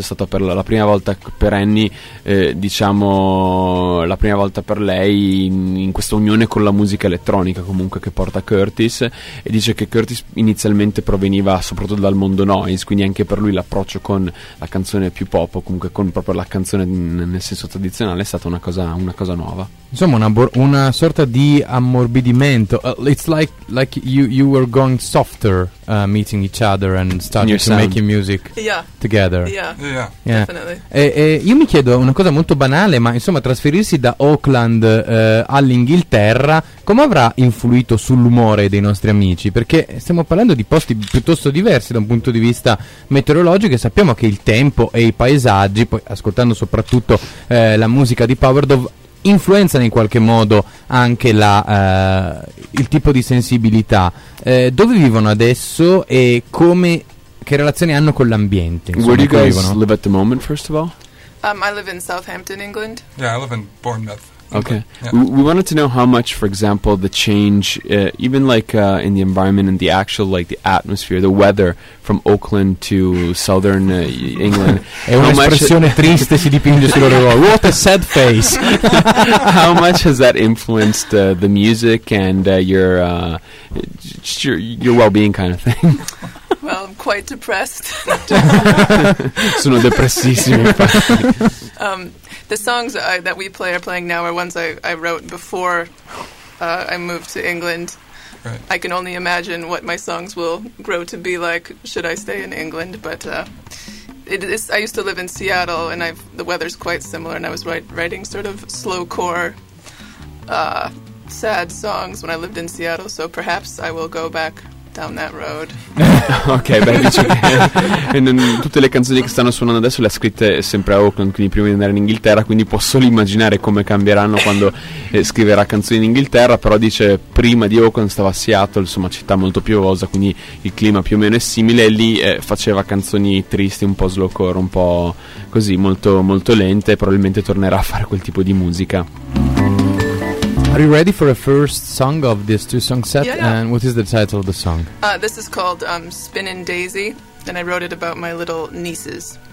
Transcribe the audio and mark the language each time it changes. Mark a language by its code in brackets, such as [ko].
[it] È stata per la prima volta per Annie, diciamo la prima volta per lei in questa unione con la musica elettronica comunque che porta Curtis. E dice che Curtis inizialmente proveniva soprattutto dal mondo noise, quindi anche per lui l'approccio con la canzone più pop, o comunque con proprio la canzone nel senso tradizionale, è stata una cosa nuova, insomma una sorta di ammorbidimento. [en] It's like you were going softer meeting each other and starting to make music together. Yeah. Definitely. [it] Io mi chiedo una cosa molto banale, ma insomma trasferirsi da Auckland all'Inghilterra, come avrà influito sull'umore dei nostri amici? Perché stiamo parlando di posti piuttosto diversi da un punto di vista meteorologico, e sappiamo che il tempo e i paesaggi, poi ascoltando soprattutto la musica di Power Dove, influenzano in qualche modo anche il tipo di sensibilità. Dove vivono adesso e che relazione hanno con l'ambiente? [en] Insomma, where do you guys live at the moment, first of all? I live in Southampton, England. Yeah, I live in Bournemouth. Okay. Yeah. We wanted to know how much, for example, the change, even like in the environment and the actual, like the atmosphere, the weather from Oakland to southern England. [it] È un'espressione triste, si dipinge sul loro volto. [en] What a sad face. How much has that influenced the music and your well-being kind of thing? Well, I'm quite depressed. [it] Sono depressissimo, infatti. [en] The songs that we play are playing now are ones I wrote before I moved to England. Right. I can only imagine what my songs will grow to be like should I stay in England. But I used to live in Seattle, and the weather's quite similar, and I was writing sort of slow core sad songs when I lived in Seattle, so perhaps I will go back down that road. [it] Ok, beh, dice che tutte le canzoni che stanno suonando adesso le ha scritte sempre a Auckland, quindi prima di andare in Inghilterra, quindi posso solo immaginare come cambieranno quando scriverà canzoni in Inghilterra. Però dice prima di Auckland stava a Seattle, insomma città molto piovosa, quindi il clima più o meno è simile, e lì faceva canzoni tristi, un po' slowcore, un po' così, molto molto lente, e probabilmente tornerà a fare quel tipo di musica. [en] Are you ready for a first song of this two-song set? Yeah, yeah. And what is the title of the song? This is called Spinning Daisy, and I wrote it about my little nieces.